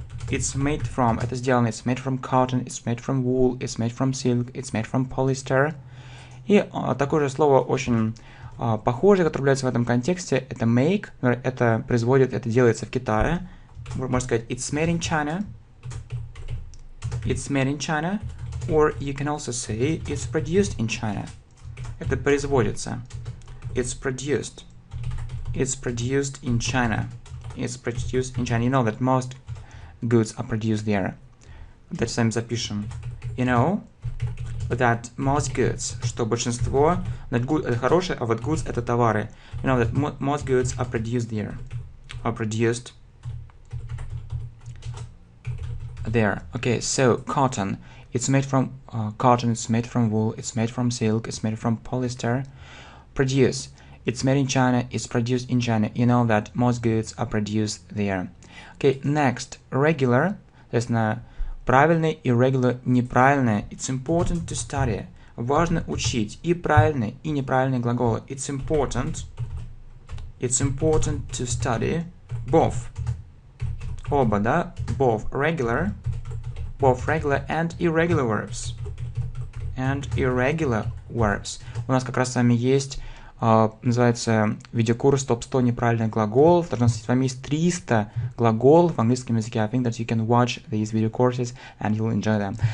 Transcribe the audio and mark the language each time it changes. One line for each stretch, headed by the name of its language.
English: It's made from,
Russian: это сделано,
English: it's made from cotton, it's made from wool, it's made from silk, it's made from polyester.
Russian: И такое же слово очень похожее, которое является в этом контексте, это make, например, это производит, это делается в Китае. Можно сказать,
English: it's made in China, or you can also say, it's produced in China.
Russian: Это производится.
English: It's produced in China. You know that most goods are produced there. That same
Russian: запишем.
English: You know that most goods,
Russian: что большинство,
English: not good,
Russian: это хорошее, а вот
English: goods
Russian: это товары.
English: You know that most goods are produced there. Are produced there. Okay, so cotton. It's made from cotton, it's made from wool, it's made from silk, it's made from polyester. Produce. It's made in China, it's produced in China. You know that most goods are produced there. Okay, next. Regular.
Russian: То есть на правильный и regular, неправильное.
English: It's important to study.
Russian: Важно учить и правильные, и неправильные глаголы.
English: It's important. It's important to study both.
Russian: Оба, да?
English: Both regular. Both regular and irregular verbs. And irregular verbs.
Russian: У нас как раз с вами есть, называется видеокурс «Топ 100 неправильных глаголов». Должно сказать, с вами есть 300 глаголов в английском языке.
English: I think that you can watch these video courses and you'll enjoy them.